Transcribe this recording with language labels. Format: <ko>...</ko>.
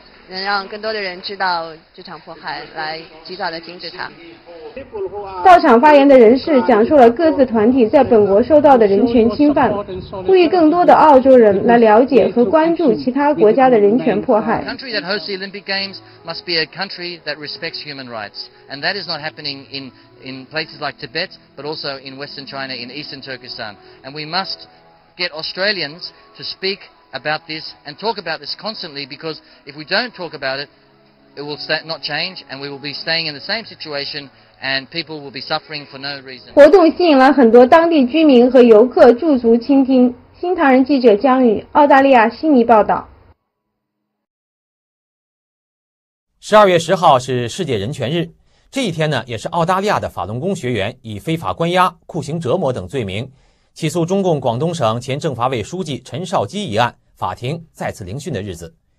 <zh>能让更多的人知道这场迫害，来及早的停止它。到场发言的人士讲述了各自团体在本国受到的人权侵犯，呼吁更多的澳洲人来了解和关注其他国家的人权迫害。</zh> <en>Country that hosts the Olympic Games must be a country that respects human rights, and that is not happening in places like Tibet, but also in Western China, in Eastern Turkestan. And we must get Australians to speak. About this and talk about this constantly, because if we don't talk about it, it will not change, and we will be staying in the same situation, and people will be suffering for no reason.</en> <zh>活动吸引了很多当地居民和游客驻足倾听。新唐人记者江宇，澳大利亚悉尼报道。 12月10号是世界人权日，这一天呢，也是澳大利亚的法轮功学员以非法关押、酷刑折磨等罪名起诉中共广东省前政法委书记陈绍基一案法庭再次聆讯的日子。</zh>